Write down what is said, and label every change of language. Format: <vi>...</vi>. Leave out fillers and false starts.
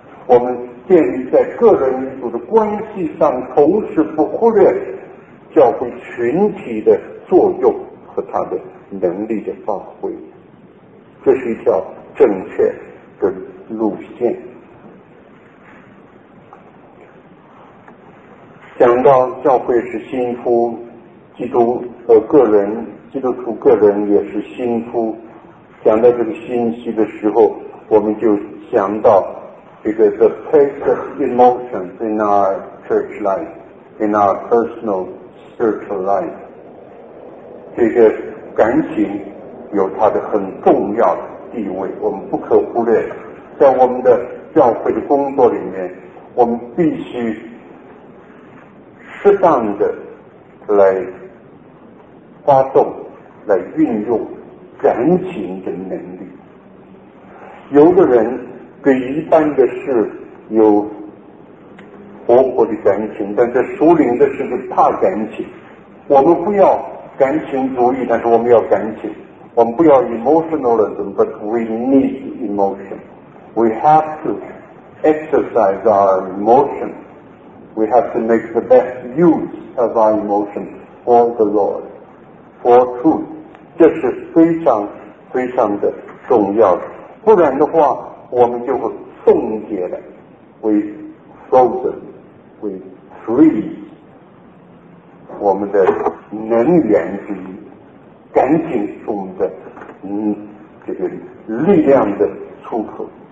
<zh>我们建立在个人与主的关系上，同时不忽略教会群体的作用和他的能力的发挥，这是一条正确的路线。讲到教会是新夫，基督和个人，基督徒个人也是新夫。讲到这个信息的时候，我们就想到这个</zh> <en>the place of emotions in our church life, in our personal spiritual life。</en> <zh>这个感情有它的很重要的地位，我们不可忽略。在我们的教会的工作里面，我们必须适当的来发动、来运用感情的能力。有的人对一般的事有活泼的感情，但在属灵的事是怕感情。我们不要感情主义，但是我们要感情。我们不要</zh> <en>emotionalism， but we need emotion. We have to exercise our emotion. We have to make the best use of our emotion for the Lord, for truth.</en> <zh>这是非常非常的重要的。不然的话，我们就会冻结了。</zh> <en>We frozen, we freeze.</en> <zh>我们的能源之一，赶紧是我们的这个力量的出口。</zh>